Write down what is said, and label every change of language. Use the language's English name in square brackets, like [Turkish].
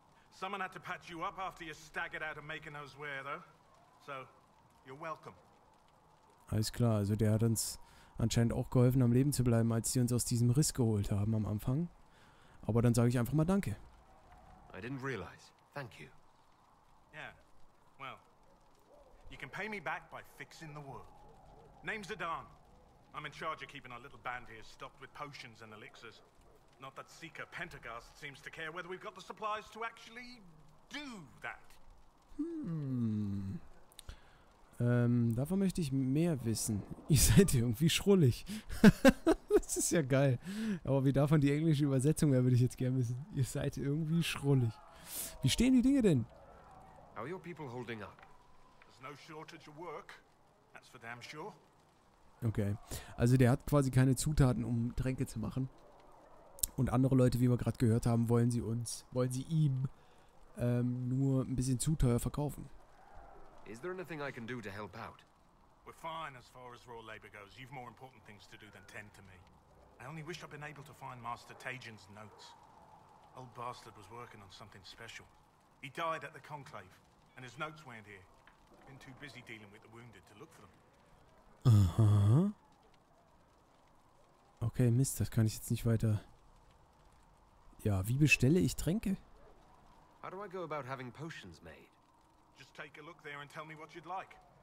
[English] Someone had to patch you up after you staggered out of Makenos Ware, though. So, you're welcome. [German] Alles klar, also der hat uns anscheinend auch geholfen, am Leben zu bleiben, als sie uns aus diesem Riss geholt haben am Anfang. Aber dann sage ich einfach mal danke. [English] I didn't realize. Thank you. Yeah, well, you can pay me back by fixing the world. Name's Adan. I'm in charge of keeping our little band here stocked with potions and elixirs. Not that Seeker Pentagast seems to care whether we've got the supplies to actually do that. [German] Davon möchte ich mehr wissen. Ihr seid irgendwie schrullig. Das ist ja geil. Aber wie davon die englische Übersetzung wäre, würde ich jetzt gerne wissen. Ihr seid irgendwie schrullig. Wie stehen die Dinge denn? [English] How are your people holding up? There's no shortage of work. That's for damn sure. Okay. [German] Also der hat quasi keine Zutaten, um Tränke zu machen. Und andere Leute, wie wir gerade gehört haben, wollen sie ihm nur ein bisschen zu teuer verkaufen. [English] Is there anything I can do to help out? We're fine as far as raw labor goes. You've more important things to do than tend to me. I only wish I'd been able to find Master Tajin's notes. Old bastard was working on something special. He died at the conclave, and his notes weren't here. Been too busy dealing with the wounded to look for them. [German] Aha. Okay, Mist, das kann ich jetzt nicht weiter. Ja, wie bestelle ich Tränke? [English] How do I go about having potions made? Just take a look there and tell me what you'd like.